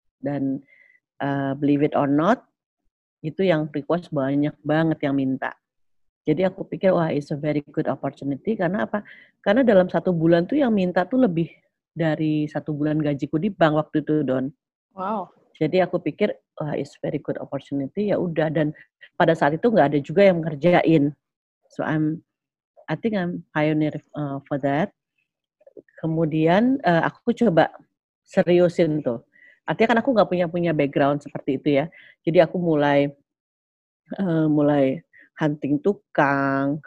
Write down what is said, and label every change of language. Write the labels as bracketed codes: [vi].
[id] Dan [en] believe it or not, [id] itu yang request banyak banget yang minta. Jadi aku pikir, wah [en] it's a very good opportunity, [id] karena apa? Karena dalam satu bulan tuh yang minta tuh lebih dari satu bulan gajiku di bank waktu itu, Don. Wow. Jadi aku pikir, wah [en] it's a very good opportunity, [id] ya udah. Dan pada saat itu nggak ada juga yang ngerjain. [en] So I think I'm pioneer for that. [id] Kemudian aku coba seriusin tuh. Artinya kan aku nggak punya background seperti itu ya. Jadi aku mulai hunting tukang.